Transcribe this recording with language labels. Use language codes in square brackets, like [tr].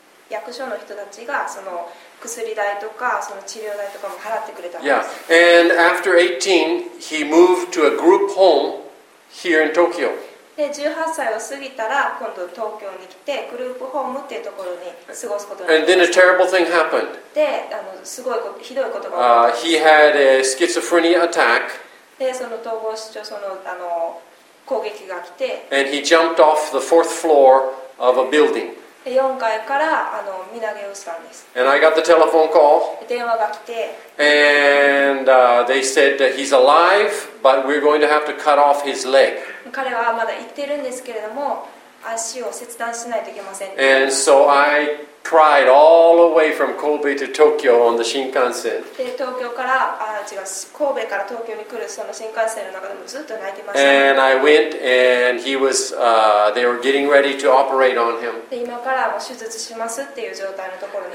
[ja] 役所の人たちがその薬代とかその治療代とかも払ってくれたんです。 [en] Yeah. And after 18, he moved to a group home here in Tokyo. [ja] で18歳を過ぎたら今度東京に来てグループホームっていうところに過ごすことになりました。 [en] And then a terrible thing happened. [ja] で、すごいひどいことが起こった。 [en] He had a schizophrenia attack. [ja] で、その統合失調症の攻撃が来て。 [en] And he jumped off the fourth floor of a building. [ja] 4階から身投げをしたんです。 [en] And I got the telephone call. [ja] 電話が来て。 [en] And they said that he's alive, but we're going to have to cut off his leg. [ja] 彼はまだ生きてるんですけれども、足を切断しないといけません。 [en] And so I cried all the way from Kobe to Tokyo on the Shinkansen. [ja] で、東京から、あ、違う、神戸から東京に来るその新幹線の中でもずっと泣いてました。 [en] And I went and he was, they were getting ready to operate on him. [ja] で、今からもう手術しますっていう状態のところに。